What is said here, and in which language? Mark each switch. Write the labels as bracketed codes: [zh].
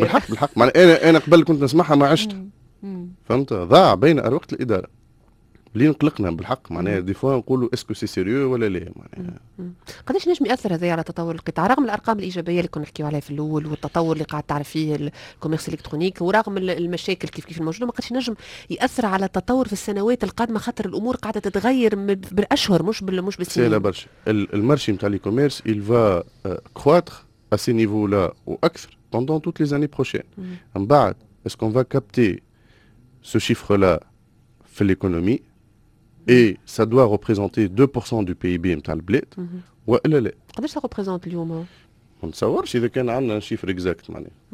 [ar] بالحق انا قبل كنت نسمحها ما عشت فهمت ضاع بين اروقه الاداره اللي نقلقنا بالحق معناها دي فوا نقولوا اسكو سي سيريو ولا لا معناها قداش نجم ياثر هذا على تطور القطاع رغم الارقام الايجابيه اللي كنا نحكيو عليها في الاول والتطور اللي قاعد تعرف فيه الكوميرس الالكترونيك ورغم المشاكل كيف الموجوده ما قداش نجم ياثر على التطور في السنوات القادمه خاطر الامور قاعده تتغير بالاشهر مش بالسنين لا برشا المارشي نتاع لي كوميرس [fr] il va croître à ce niveau là ou [ar] اكثر [fr] pendant toutes les années prochaines [ar] من بعد [fr] est-ce qu'on va capter ce chiffre là [ar] في [fr] l'économie et ça doit représenter 2% du PIB [ar] نتاع البلاد ولا لا قداش تقريبا اليوم ما نتصورش اذا كان عندنا شيفر اكزاكت معناها